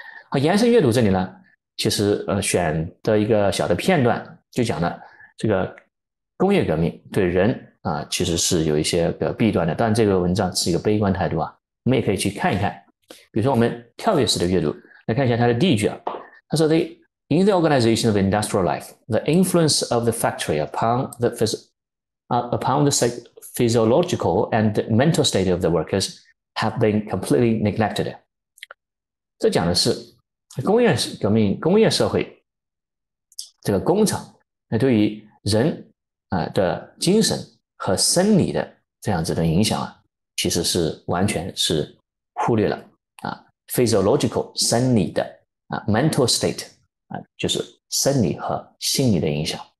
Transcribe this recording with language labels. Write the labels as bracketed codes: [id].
[zh] 好，延伸阅读这里呢，其实选的一个小的片段就讲了这个工业革命对人啊其实是有一些比较弊端的，但这个文章是一个悲观态度啊，我们也可以去看一看，比如说我们跳跃式的阅读。来看一下他的第一句啊，他说：“ [en] The in the organization of industrial life, the influence of the factory upon the physiological and mental state of the workers have been completely neglected。” [zh] 这讲的是工业革命、工业社会这个工厂，那对于人的精神和生理的这样子的影响啊，其实是完全是忽略了。 physiological 生理的啊，mental state 啊，就是生理和心理的影响。